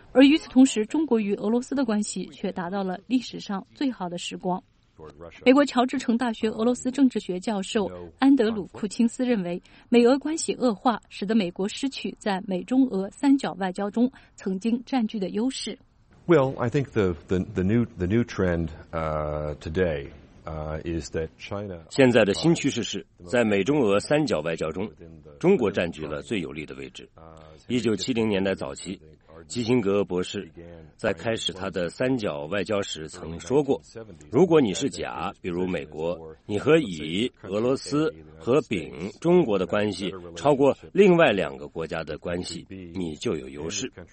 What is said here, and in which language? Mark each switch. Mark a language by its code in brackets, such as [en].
[zh] 而与此同时，中国与俄罗斯的关系却达到了历史上最好的时光。美国乔治城大学俄罗斯政治学教授安德鲁·库钦斯认为，美俄关系恶化使得美国失去在美中俄三角外交中曾经占据的优势。 [en] Well, I think the new trend today is that China. [zh] 现在的新趋势是在美中俄三角外交中，中国占据了最有利的位置。 1970年代早期，基辛格博士在开始他的三角外交时曾说过，如果你是甲，比如美国，你和乙俄罗斯和丙中国的关系超过另外两个国家的关系，你就有优势。